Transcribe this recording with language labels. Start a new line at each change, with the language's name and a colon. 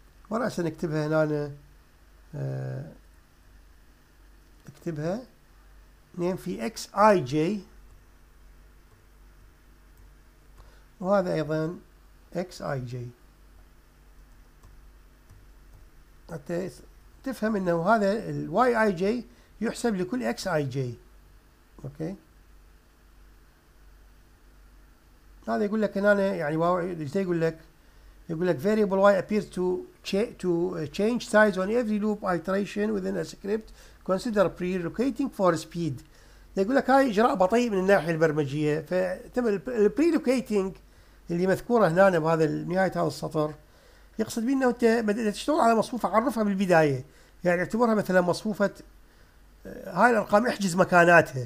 Arabic: وراح نكتبها هنا اكتبها نيم في اكس اي جي، وهذا ايضا اكس اي جي حتى تفهم انه هذا الواي اي جي يحسب لكل اكس اي جي اوكي. هذا يقول لك هنا يعني واي يقول لك
English: variable y appears to change size on every loop iteration within a script. Consider pre-locating for speed.
Arabic: يقول لك هاي إجراء بطيء من الناحية البرمجية. فتم pre-locating اللي مذكورة هنا بهذا نهاية هذا السطر يقصد بيه أنه أنت إذا تشتغل على مصفوفة عرفها بالبداية، يعني اعتبرها مثلا مصفوفة هاي الأرقام احجز مكاناتها.